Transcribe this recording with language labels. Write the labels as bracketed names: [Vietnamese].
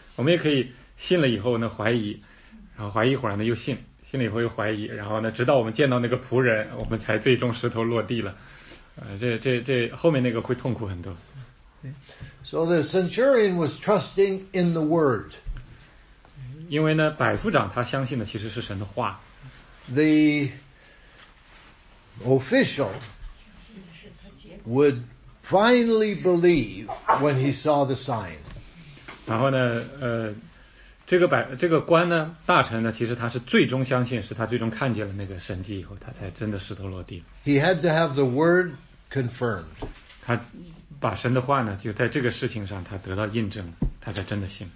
[Chinese] 我们也可以信了以后呢怀疑，然后怀疑一会儿呢又信。心里会有怀疑，然后呢，直到我们见到那个仆人，我们才最终石头落地了。这后面那个会痛苦很多。 [English] So the centurion was trusting in the word. [Chinese] 因为呢，百夫长他相信的其实是神的话。 [English] The official would finally believe when he saw the sign. [Chinese] 然后呢，这个官呢，大臣呢，其实他是最终相信，是他最终看见了那个神迹以后，他才真的石头落地。 [English] He had to have the word confirmed. [Chinese] 他把神的话呢，就在这个事情上，他得到印证，他才真的信。